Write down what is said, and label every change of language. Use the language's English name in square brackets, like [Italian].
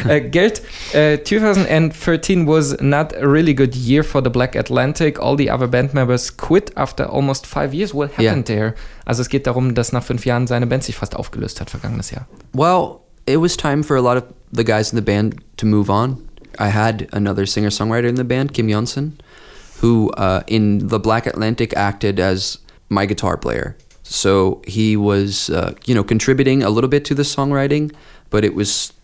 [English] Gerd, 2013 was not a really good year for the Black Atlantic. All the other band members quit after almost 5 years. What happened there? [German] Also es geht darum, dass nach 5 Jahren seine Band sich fast aufgelöst hat vergangenes Jahr. [English] Well, it was time for a lot of the guys in the band to move on. I had another singer-songwriter in the band, Kim Jonsson, who in the Black Atlantic acted as my guitar player. So he was, you know, contributing a little bit to the songwriting, but it was...